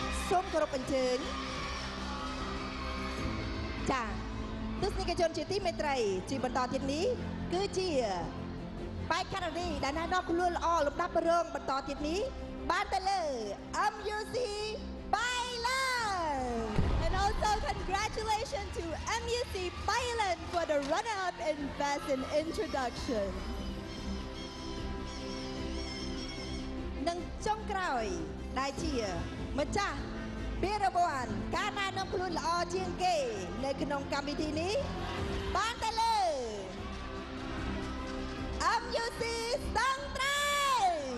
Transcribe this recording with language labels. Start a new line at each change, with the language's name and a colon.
Khmer: សូមគោរពអញ្ជើញចា៎ទស្សនិកជនជាទីមេត្រីជាបន្តទៀតនេះគឺជាបេក្ខនារីដែលណែនាំខ្លួនល្អលំដាប់រងបន្តទៀតនេះបានទៅលើ MUC Bailan
English: And also congratulations to MUC Bailan for the runner-up in Best in Introduction
Khmer: និងចុងក្រោយដែលជាម្ចាស់ពានរង្វាន់ការណែនាំខ្លួនល្អជាងគេនៅក្នុងកម្មវិធីនេះបានទៅលើ MUC Stangtrai